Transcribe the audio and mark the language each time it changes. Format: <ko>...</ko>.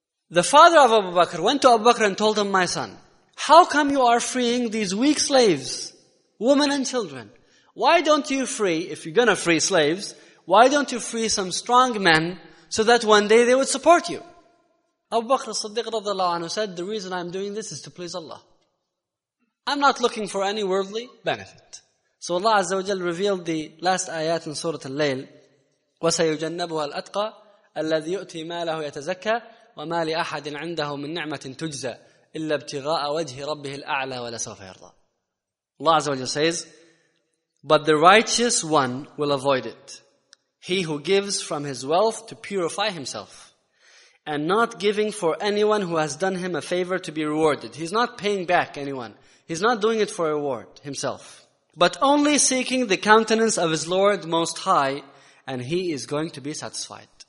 <en>The father of Abu Bakr went to Abu Bakr and told him, my son, how come you are freeing these weak slaves, women and children? Why don't you free, if you're going to free slaves, why don't you free some strong men so that one day they would support you? Abu Bakr as-Siddiq radiallahu anhu said, the reason I'm doing this is to please Allah. I'm not looking for any worldly benefit. So Allah Azza wa Jal revealed the last ayat in Surah Al-Layl,</en> <ar>وَسَيُجَنَّبُهَا الْأَتْقَى الَّذِي يُؤْتِي مَالَهُ يَتَزَكَّى وَمَا لِأَحَدٍ عِنْدَهُ مِنْ نِعْمَةٍ تُجْزَى إِلَّا ابْتِغَاءَ وَجْهِ رَبِّهِ الْأَعْلَى وَلَسَوْفَ يَرْضَى.</ar> <en>Allah Azza wa Jal says, but the righteous one will avoid it. He who gives from his wealth to purify himself, and not giving for anyone who has done him a favor to be rewarded. He's not paying back anyone. He's not doing it for a reward himself, but only seeking the countenance of his Lord Most High, and he is going to be satisfied.</en>